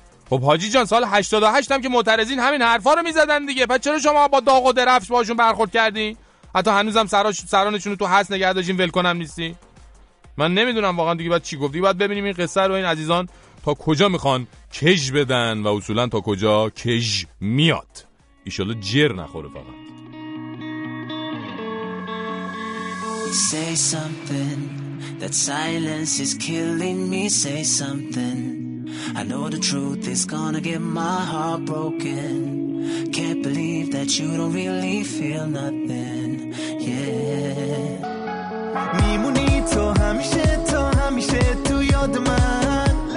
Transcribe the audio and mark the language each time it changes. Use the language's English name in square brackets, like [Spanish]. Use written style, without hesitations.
[Persian] خب حاجی جان سال 88 هم که معترضین همین حرفا رو میزدن دیگه، پس چرا شما با داغ و درفش باشون برخورد کردین؟ حتی هنوزم سرانشون تو حس نگه داشتین ولکن هم نیستی؟ من نمیدونم واقعا دیگه بعد چی گفتی. بعد ببینیم این قصه رو این عزیزان تا کجا میخوان کج بدن و اصولا تا کجا کج میاد. ایشالله جر نخوره فقط. [English] Say something, that silence is killing me. Say something, I know the truth is gonna get my heart broken. Can't believe that you don't really feel nothing. Yeah. [Persian] میمونی تو همیشه تو همیشه تو یاد من.